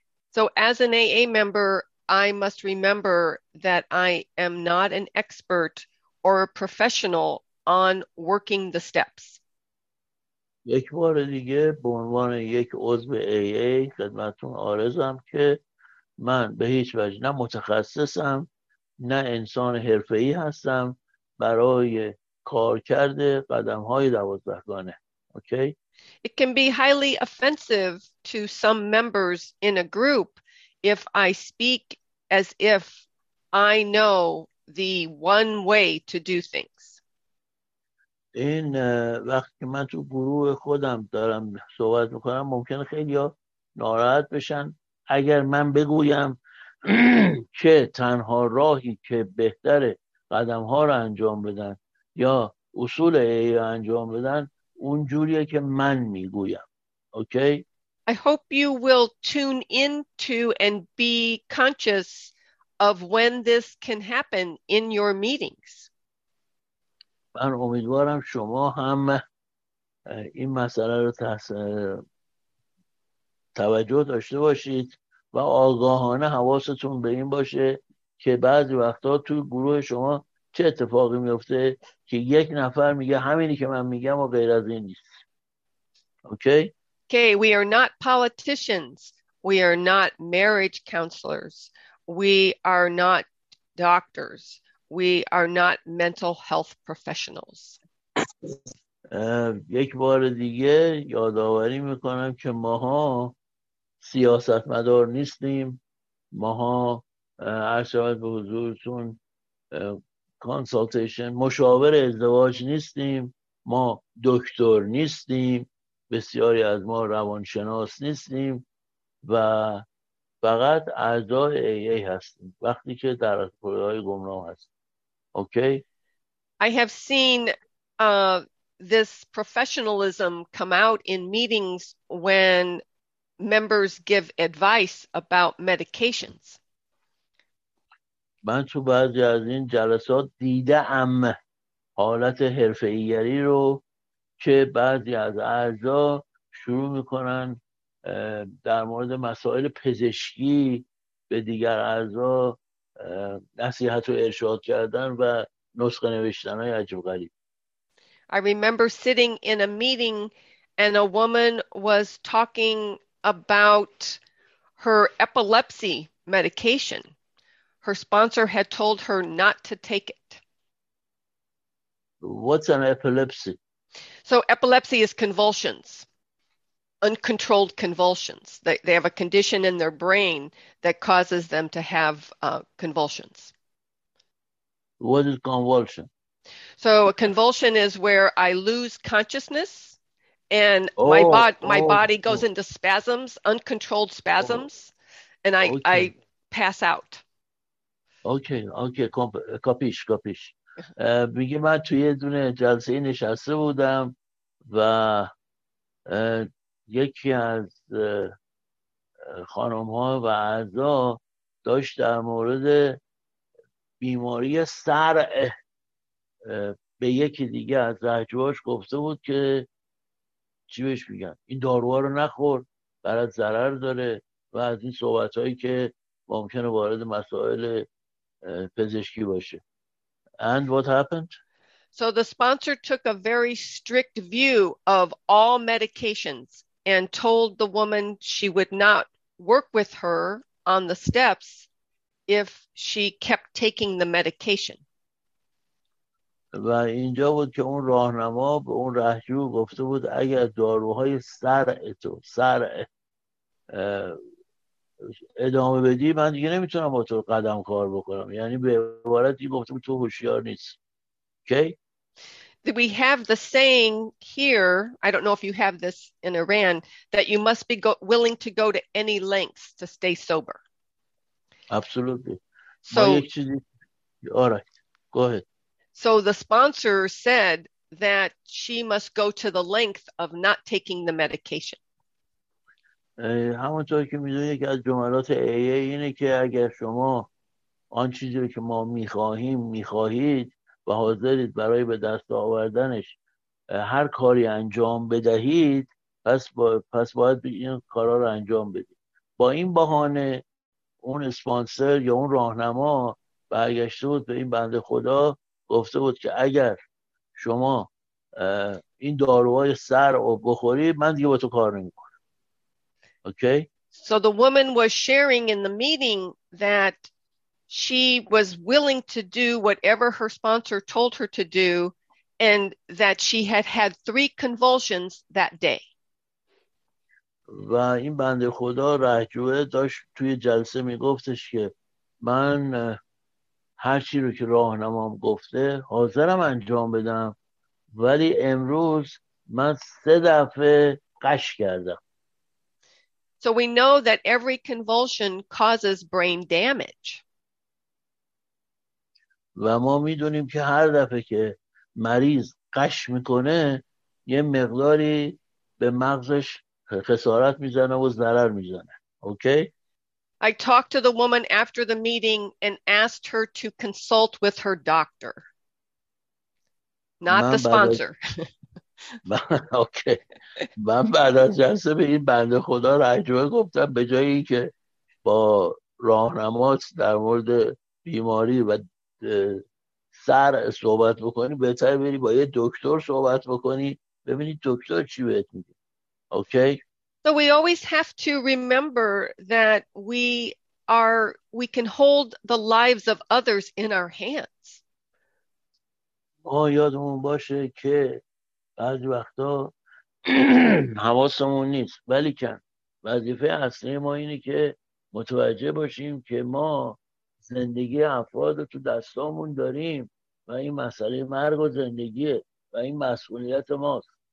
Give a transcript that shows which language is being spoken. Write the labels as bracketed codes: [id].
[en] So as an AA member, I must remember that I am not an expert or a professional on working the steps. [fa] یک بار دیگه به عنوان یک عضو AA خدمتتون عارضم که من به هیچ وجه نه متخصصم نه انسان حرفه‌ای هستم برای کارکرد قدم‌های 12 گانه. اوکی؟ [en] It can be highly offensive to some members in a group if I speak as if I know the one way to do things. [fa] این وقتی که من تو گروه خودم دارم صحبت میکنم ممکنه خیلی ها ناراحت بشن اگر من بگویم که تنها راهی که بهتره قدم ها رو انجام بدن یا اصول ای انجام بدن اون جوریه که من میگویم. اوکی؟ [en] I hope you will tune in to and be conscious of when this can happen in your meetings. [fa] من امیدوارم شما هم این مسئله رو توجه داشته باشید و آگاهانه حواستون به این باشه که بعضی وقتا تو گروه شما چه اتفاقی میفته که یک نفر میگه همینی که من میگم و غیر از این نیست. اوکی؟ [en] Okay, we are not politicians. We are not marriage counselors. We are not doctors. We are not mental health professionals. [fa] یک بار دیگه یادآوری میکنم که ماها سیاستمدار نیستیم. ماها عرض به حضورتون کانسالتیشن مشاور ازدواج نیستیم. ما دکتر نیستیم. بسیاری از ما روانشناس نیستیم و فقط اعضای AA هستیم وقتی که در اصفرهای گمنام هستیم. اوکی؟ [en] I have seen this professionalism come out in meetings when members give advice about medications. [fa] من تو بعضی از این جلسات دیده ام حالت حرفه‌ایگری رو که بعضی از اعضا شروع میکنن در مورد مسائل پزشکی به دیگر اعضا نصیحت و ارشاد کردن و نسخه نوشتن های عجب غریب. [en] I remember sitting in a meeting and a woman was talking about her epilepsy medication. Her sponsor had told her not to take it. What's an epilepsy? So epilepsy is convulsions, uncontrolled convulsions. They have a condition in their brain that causes them to have convulsions. What is convulsion? So a convulsion is where I lose consciousness and my body goes into spasms, uncontrolled spasms, and I pass out. Okay, capisce. [fa] میگه من توی یه دونه جلسه نشسته بودم و یکی از خانم‌ها و اعضا داشت در مورد بیماری سر به یکی دیگه از زهجوهاش گفته بود که چی بهش میگن این داروها رو نخور برات ضرر داره، و از این صحبت هایی که ممکنه وارد مسائل پزشکی باشه. [en] And what happened? So the sponsor took a very strict view of all medications and told the woman she would not work with her on the steps if she kept taking the medication. [fa] و اینجا بود که اون راهنما به اون رهجو گفته بود اگر داروهای سرع تو سرع ادامه بدی من دیگه نمیتونم با تو قدم کار بکنم، یعنی به عبارتی گفته بود تو هوشیار نیست. اوکی [en] okay? We have the saying here, I don't know if you have this in Iran, that you must be willing to go to any lengths to stay sober. Absolutely. So, all right, go ahead. So the sponsor said that she must go to the length of not taking the medication. [fa] همونطور که می‌دونید یکی از جملات AA اینه که اگر شما آن چیزی که ما می‌خواهیم می‌خواهید و حاضرید برای به دست آوردنش هر کاری انجام بدهید، پس باید این کارا رو انجام بدید. با این بهانه اون اسپانسر یا اون راهنما برگشته بود به این بنده خدا گفته بود که اگر شما این داروهای سر رو بخورید من دیگه با تو کار نمی کنم. اوکی؟ [en] So the woman was sharing in the meeting that she was willing to do whatever her sponsor told her to do and that she had had three convulsions that day. [fa] و این بنده خدا رهجوه داشت توی جلسه می گفتش که من هر چی رو که راهنمام گفته حاضرم انجام بدم، ولی امروز من سه دفعه قش کردم. [en] So we know that every convulsion causes brain damage. [fa] و ما میدونیم که هر دفعه که مریض قش میکنه یه مقداری به مغزش خسارت میزنه و ضرر میزنه. اوکی؟ [en] I talked to the woman after the meeting and asked her to consult with her doctor. Not the sponsor. Okay. [fa] من بعد از جلسه به این بنده خدا رجوع گفتم به جای اینکه با راهنمات در مورد بیماری و سر صحبت بکنی بهتر بری با یه دکتر صحبت بکنی ببینی دکتر چی بهت میگه. [en] Okay. So we always have to remember that we can hold the lives of others in our hands. [fa] ما یادمون باشه که بعضی وقتا حواسمون نیست، ولیکن وظیفه اصلی ما اینه که متوجه باشیم که ما زندگی افراد رو تو دستامون داریم و این مسئله مرگ و زندگیه و این مسئولیت ماست.